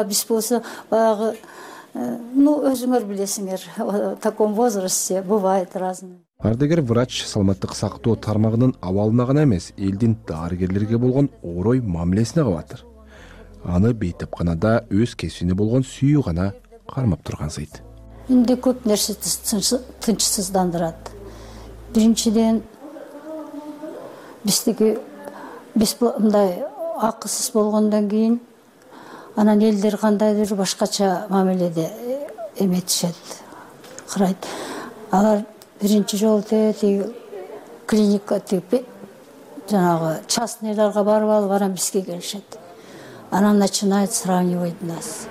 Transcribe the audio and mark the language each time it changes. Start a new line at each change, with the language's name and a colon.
Kyrgyz: А биз болсо баягы өзүңөр билесиңер,
Russian: в таком возрасте бывает разное.
Kyrgyz: Ардыгер врач саламаттык сактоо тармагынын абалына гана эмес, элдин дарыгерлерге болгон орой мамилесине кабатыр. Аны бейтапканада өз кесибине болгон сүйүү гана кармап тургансыйт. Инде көп нерсе тынчсыздандырат. Биринчиден биздики биз мындай акысыз болгондон кийин анан элдер кандайдыр башкача мамиледе эметишет, карайт. Алар биринчи жолу клиника жанагы частныйларга барып алып анан бизге келишет. Анан
Russian: начинает сравнивать нас.